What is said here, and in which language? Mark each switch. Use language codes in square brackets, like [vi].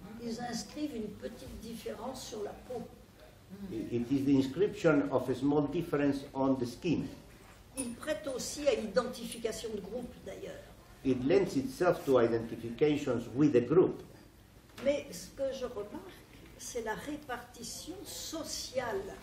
[fr] Ils inscrivent une petite différence sur la peau. [en] It is the inscription of a small difference on the skin. [fr] Il prête aussi à l'identification de groupe, d'ailleurs. [en] It lends itself to identifications with a group. [fr] Mais ce que je remarque, c'est la répartition sociale.